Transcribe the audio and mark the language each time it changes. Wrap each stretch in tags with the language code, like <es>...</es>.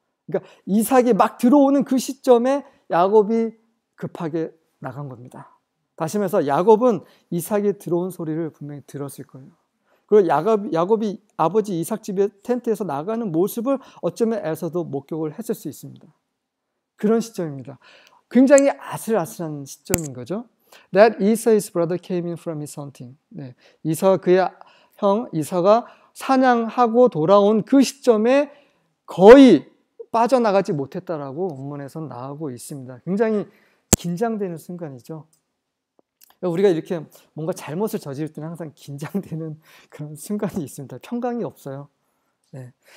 <ko>그러니까 이삭이 막 들어오는 그 시점에 야곱이 급하게 나간 겁니다. 다시 말해서 야곱은 이삭이 들어온 소리를 분명히 들었을 거예요. 그리고 야곱이 아버지 이삭 집에 텐트에서 나가는 모습을 어쩌면 에서도 목격을 했을 수 있습니다. 그런 시점입니다. 굉장히 아슬아슬한 시점인 거죠.</ko> <en>That Esau's brother came in from his hunting.</en> <ko>네. 이삭 그의 형 이삭가 사냥하고 돌아온 그 시점에 거의 빠져나가지 못했다라고 원문에서 나오고 있습니다. 굉장히 긴장되는 순간이죠. 우리가 이렇게 뭔가 잘못을 저지를 때는 항상 긴장되는 그런 순간이 있습니다. 평강이 없어요. 네.</ko>